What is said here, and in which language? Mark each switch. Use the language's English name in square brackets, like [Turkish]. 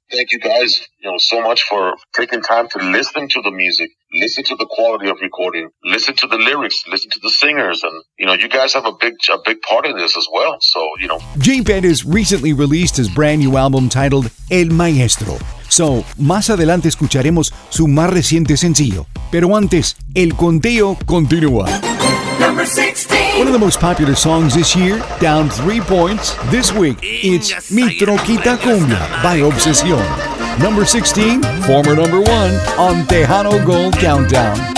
[English] Thank you guys, you know, so much for taking time to listen to the music, listen to the quality of recording, listen to the lyrics, listen to the singers, and, you know, you guys have a big part in this as well. So, you know, Jay Perez recently released his brand new album titled El Maestro. [Spanish] So, más adelante escucharemos su más reciente sencillo. Pero antes, el conteo continúa. [English] Number 16. One of the most popular songs this year, down 3 points. This week, it's Mi Troquita Cumbia by Obsesión. Number 16, former number 1 on Tejano Gold Countdown.